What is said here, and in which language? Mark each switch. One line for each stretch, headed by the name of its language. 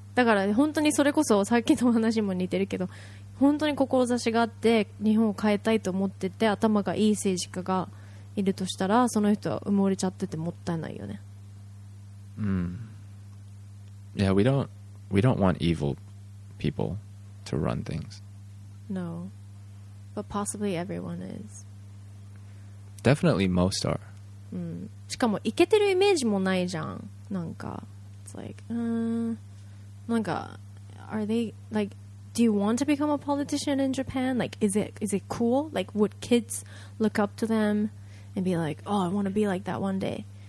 Japanese: だから本当にそれこそさっきの話も似てるけど、本当に志があって日本を変えたいと思ってて、頭がいい政治家がいるとしたら、その人は埋もれちゃっててもったいないよね。
English: Yeah, we don't want evil people to run things. No, but possibly everyone is. Definitely most are.
Japanese: しかもイケてるイメージもないじゃん。なんか
English: it's like, なんか are they like, do you want to become a politician in Japan? Like, is it cool? Like, would kids look up to them and be like, oh, I want to be like that one day?